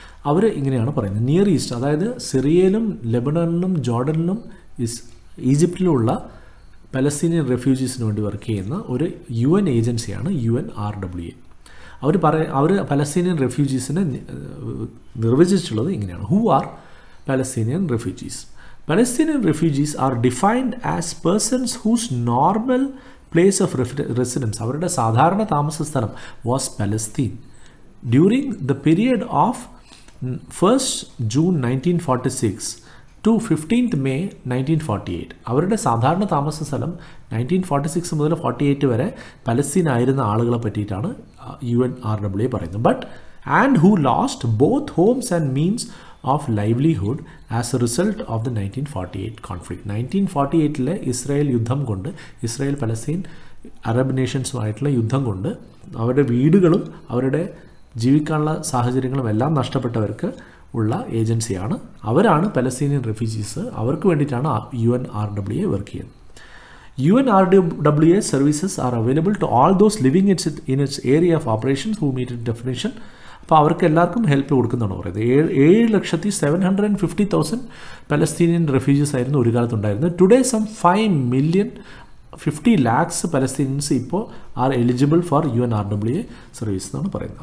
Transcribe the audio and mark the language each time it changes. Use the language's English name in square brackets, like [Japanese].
[Malayalam] അവർ ഇങ്ങനെയാണ് പറയുന്നത്, near east അതായത് സിറിയയിലും ലെബനണിലും ജോർഡനിലും ഈജിപ്തിലുമുള്ള പലസ്തീനിയൻ റെഫ്യൂജീസിന് വേണ്ടി വർക്ക് ചെയ്യുന്ന ഒരു യു എൻ ഏജൻസിയാണ് UNRWA. അവർ പലസ്തീനിയൻ റെഫ്യൂജീസിനെ നിർവചിച്ചിട്ടുള്ളത് ഇങ്ങനെയാണ്, [English] Who are Palestinian refugees. Palestinian refugees are defined as persons whose normal place of residence, [Malayalam] avarude sadharana thamasasthanam, [English] was Palestine during the period of 1st June 1946 to 15th May 1948. [Malayalam] അവരുടെ സാധാരണ താമസ സ്ഥലം 1946 മുതൽ 48 വരെ Palestine ആയിരുന്ന ആളുകളെ പറ്റിയിട്ടാണ് UNRWA പറയുന്നത്. [English] But and who lost both homes and means of livelihood as a result of the 1948 conflict. [Malayalam] 1948 Israel യുദ്ധം കൊണ്ട്, ഇസ്രായേൽ പലസ്തീൻ അറബ് നേഷൻസുമായിട്ടുള്ള യുദ്ധം കൊണ്ട് അവരുടെ വീടുകളും അവരുടെ ജീവിക്കാനുള്ള സാഹചര്യങ്ങളും എല്ലാം നഷ്ടപ്പെട്ടവർക്ക് ഉള്ള ഏജൻസിയാണ്. അവരാണ് പലസ്തീനിയൻ റെഫ്യൂജീസ്, അവർക്ക് വേണ്ടിയിട്ടാണ് UNRWA വർക്ക് ചെയ്യുന്നത്. [English] UNRWA services are available to all those living in its area of operations who meet its definition. [Malayalam] അപ്പോൾ അവർക്കെല്ലാവർക്കും ഹെൽപ്പ് കൊടുക്കുന്നതാണ് പറയുന്നത്. 7,750,000 പലസ്തീനിയൻ റെഫ്യൂജീസ് ആയിരുന്നു ഒരു കാലത്ത് ഉണ്ടായിരുന്നത്. [English] today some 5,50,000 Palestinians ഇപ്പോൾ are eligible for UNRWA service [Malayalam] എന്നാണ് പറയുന്നത്.